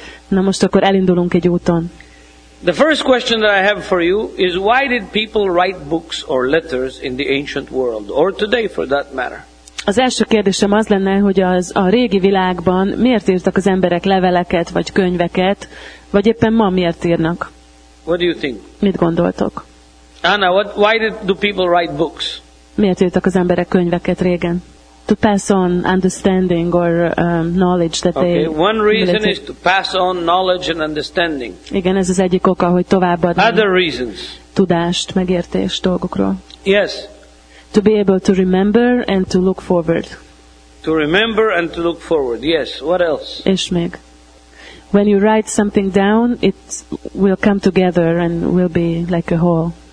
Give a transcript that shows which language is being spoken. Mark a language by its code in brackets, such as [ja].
[hu] Na most akkor elindulunk egy úton. [en] The first question that I have for you is why did people write books or letters in the ancient world or today for that matter? [hu] Az első kérdésem az lenne, hogy az a régi világban miért írtak az emberek leveleket vagy könyveket, vagy éppen ma miért írnak? [en] What do you think? [hu] Mit gondoltok? [en] Anna, why did do people write books? [hu] Miért írtak az emberek könyveket régen? [en] To pass on understanding or knowledge that okay, they. Okay, one reason is to pass on knowledge and understanding. [hu] Igen, ez az egyik oka, hogy továbbadni. [en] Other reasons. [hu] Tudást, megértést dolgokról. [en] Yes. To be able to remember and to look forward. To remember and to look forward. Yes. What else? [hu] És még. [en] When you write something down, it will come together and will be like a whole.